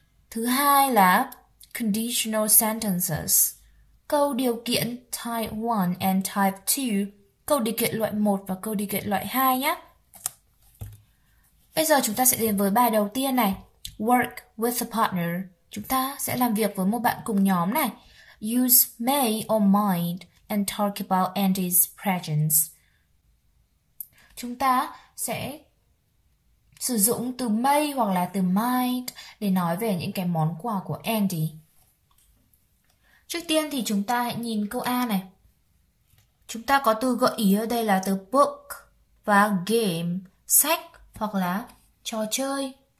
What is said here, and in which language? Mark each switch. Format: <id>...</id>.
<vi>Thứ hai là</vi> <en>conditional sentences,</en> <vi>câu điều kiện</vi> <en>type 1 and type 2,</en> <vi>câu điều kiện loại 1 và câu điều kiện loại 2 nhé. Bây giờ chúng ta sẽ đến với bài đầu tiên này.</vi> <en>Work with a partner.</en> <vi>Chúng ta sẽ làm việc với một bạn cùng nhóm này.</vi> <en>Use may or might and talk about Andy's presence.</en> <vi>Chúng ta sẽ sử dụng từ may hoặc là từ might để nói về những cái món quà của Andy. Trước tiên thì chúng ta hãy nhìn câu A này. Chúng ta có từ gợi ý ở đây là từ book và game, sách hoặc là trò chơi.</vi>